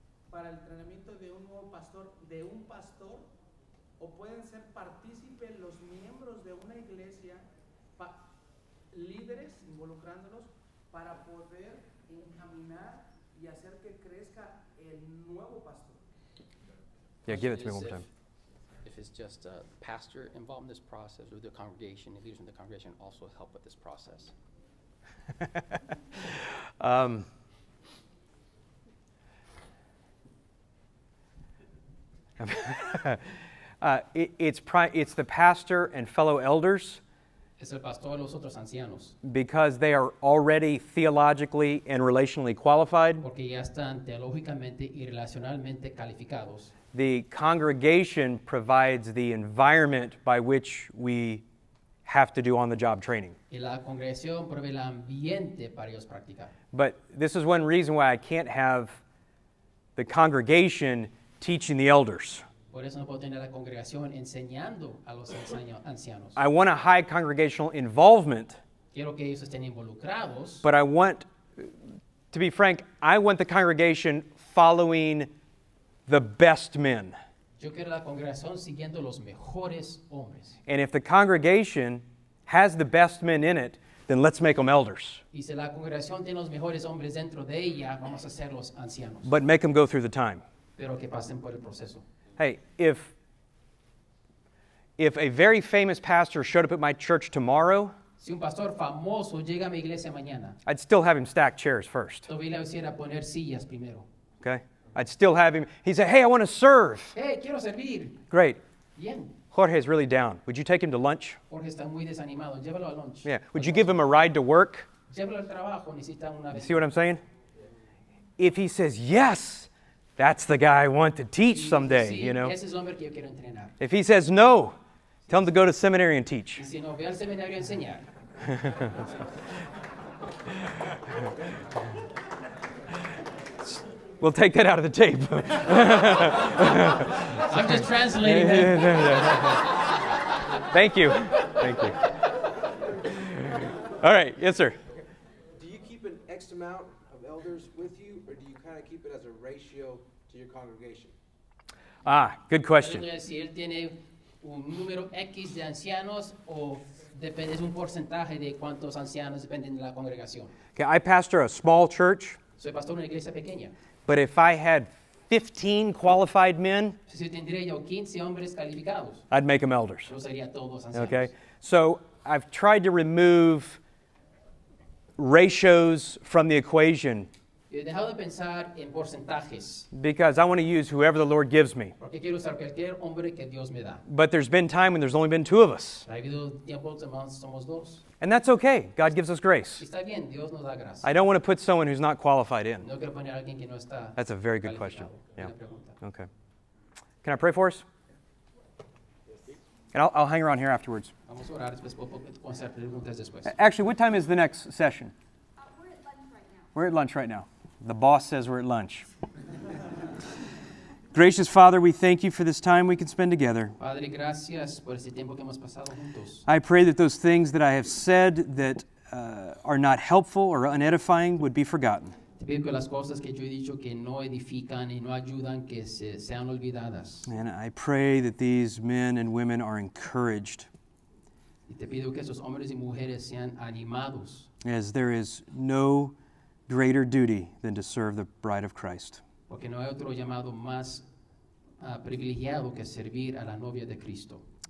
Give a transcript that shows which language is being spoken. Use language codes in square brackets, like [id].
[es] Para el entrenamiento de un nuevo pastor, de un pastor, o pueden ser partícipes los miembros de una iglesia, líderes involucrándolos, para poder encaminar y hacer que crezca el nuevo pastor. [en] Yeah, give it to me one more time. If it's just a pastor involved in this process, or the congregation, the leaders in the congregation also help with this process. it's the pastor and fellow elders. [es] Es el pastor y los otros ancianos. [en] Because they are already theologically and relationally qualified. [es] Porque ya están teológicamente y relacionalmente calificados. [en] The congregation provides the environment by which we have to do on-the-job training. [es] Y la congregación provee el ambiente para ellos practicar. [en] But this is one reason why I can't have the congregation teaching the elders. [es] Por eso no puedo tener la congregación enseñando a los ancianos. [en] I want a high congregational involvement. [es] Quiero que ellos estén involucrados. [en] But I want, to be frank, I want the congregation following the best men. [es] Yo quiero la congregación siguiendo los mejores hombres. [en] And if the congregation has the best men in it, then let's make them elders. [es] Y si la congregación tiene los mejores hombres dentro de ella, vamos a hacerlos ancianos. [en] But make them go through the time. [es] Pero que pasen por el proceso. [en] Hey, if a very famous pastor showed up at my church tomorrow, [es] si un pastor famoso llega a mi iglesia mañana, [en] I'd still have him stack chairs first. [es] Todavía le hiciera poner sillas primero. [en] OK? okay? I'd still have him. He'd say, hey, I want to serve. [es] Hey, quiero servir. [en] Great. [es] Bien. [en] Jorge's really down. Would you take him to lunch? [es] Jorge está muy desanimado. Llévalo a lunch. [en] Yeah. Would you give him a ride to work? [es] Llévalo al trabajo. Necesita una vez. [en] You see what I'm saying? If he says yes, that's the guy I want to teach someday, [es] sí, [en] you know? [es] Ese es el hombre que yo quiero entrenar. [en] If he says no, tell him to go to seminary and teach. [es] Y si no, ve al seminario a enseñar. [en] We'll take that out of the tape. I'm just translating that. Thank you. Thank you. All right. Yes, sir. Do you keep an X amount of elders with you, or do you kind of keep it as a ratio to your congregation? Ah, good question. [es] Si él tiene un número X de ancianos, o depende, es un porcentaje de cuántos ancianos dependen de la congregación. [en] Okay, I pastor a small church. [es] Soy pastor de una iglesia pequeña. [en] But if I had 15 qualified men, [es] si tendría yo 15 hombres calificados, [en] I'd make them elders. [es] Yo sería todos ancianos. [en] Okay? So I've tried to remove ratios from the equation. [es] He dejado de pensar en porcentajes. [en] Because I want to use whoever the Lord gives me. [es] Porque quiero usar cualquier hombre que Dios me da. [en] But there's been time when there's only been two of us. [es] Ha habido tiempos donde somos dos. [en] And that's okay. God gives us grace. [es] Está bien. Dios nos da gracia. [en] I don't want to put someone who's not qualified in. [es] No quiero poner a alguien que no está. [en] That's a very good question. Yeah. Okay. Can I pray for us? And I'll hang around here afterwards. [es] Vamos a orar después, con hacer preguntas después. [en] Actually, what time is the next session? We're at lunch right now. The boss says we're at lunch. Gracious Father, we thank you for this time we can spend together. [es] Padre, gracias por este tiempo que hemos pasado juntos. [en] I pray that those things that I have said that are not helpful or unedifying would be forgotten. [es] Te pido que las cosas que yo he dicho que no edifican y no ayudan que sean olvidadas. [en] And I pray that these men and women are encouraged. [es] Y te pido que esos hombres y mujeres sean animados. [en] As there is no greater duty than to serve the bride of Christ. [es] Porque no hay otro llamado más privilegiado que servir a la novia de Cristo.